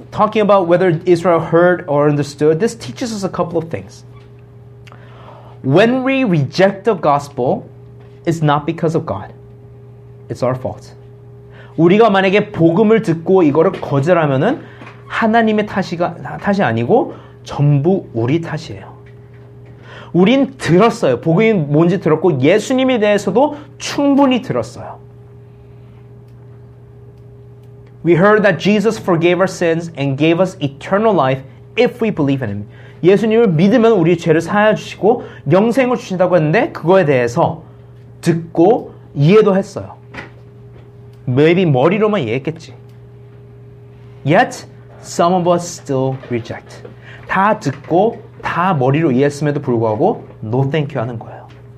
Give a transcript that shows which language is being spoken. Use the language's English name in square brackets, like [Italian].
[English] Talking about whether Israel heard or understood, this teaches us a couple of things. When we reject the gospel, it's not because of God. It's our fault. [Korean] 우리가 만약에 복음을 듣고 이거를 거절하면은 하나님의 탓이 아니고 전부 우리 탓이에요. 우린 들었어요. 복음이 뭔지 들었고 예수님에 대해서도 충분히 들었어요. [English] We heard that Jesus forgave our sins and gave us eternal life if we believe in him. [Korean] 예수님을 믿으면 우리의 죄를 사하여 주시고 영생을 주신다고 했는데 그거에 대해서 듣고 이해도 했어요. [English] Maybe [Korean] 머리로만 이해했겠지. [English] Yet, some of us still reject. [Korean] 다 듣고 다 머리로 이해했음에도 불구하고 [English] no thank you [Korean] 하는 거예요.